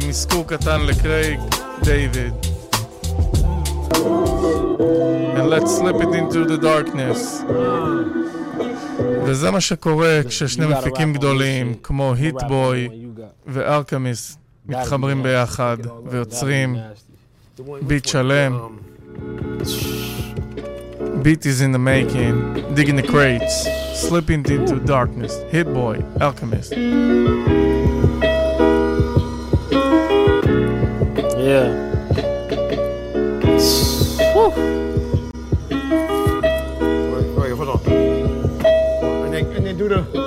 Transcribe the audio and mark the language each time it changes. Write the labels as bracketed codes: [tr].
[he] עם מסקור קטן לקרייג דיוויד. [en] And let's slip it into the darkness. [he] וזה מה שקורה כששני מפיקים גדולים כמו היט בוי וארקמיס מתחברים ביחד ויוצרים ביט שלם. [en] Beat is in the making, digging the crates, slipping into darkness. Hit boy, alchemist. Yeah. Woo. Wait, hold on. And they do the.